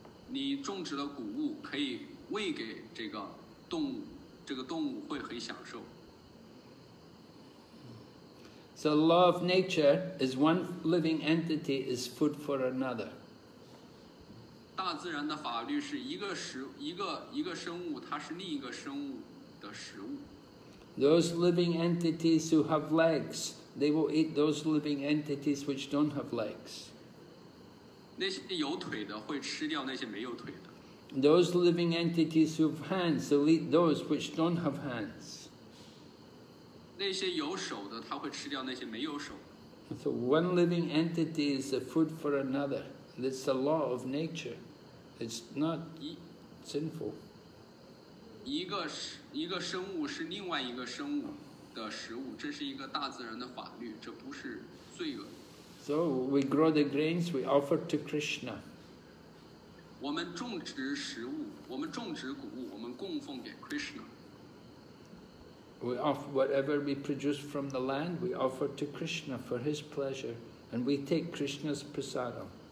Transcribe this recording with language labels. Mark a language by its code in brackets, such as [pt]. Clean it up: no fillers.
[zh] 你种植的谷物可以喂给这个动物，这个动物会很享受。 [en] So the law of nature is one living entity is food for another. [zh] 大自然的法律是一个生物，它是另一个生物的食物。 [en] Those living entities who have legs, they will eat those living entities which don't have legs. [zh] 那些有腿的会吃掉那些没有腿的。 [en] Those living entities who have hands, they'll eat those which don't have hands. [zh] 那些有手的，他会吃掉那些没有手的。 [en] So one living entity is a food for another. That's the law of nature. It's not sinful. [zh] 一个生物是另外一个生物的食物，这是一个大自然的法律，这不是罪恶。 [en] So we grow the grains we offer to Krishna. [zh] 我们种植食物，我们种植谷物，我们供奉给 Krishna. [en] We offer whatever we produce from the land, we offer to Krishna for his pleasure, and we take Krishna's prasada.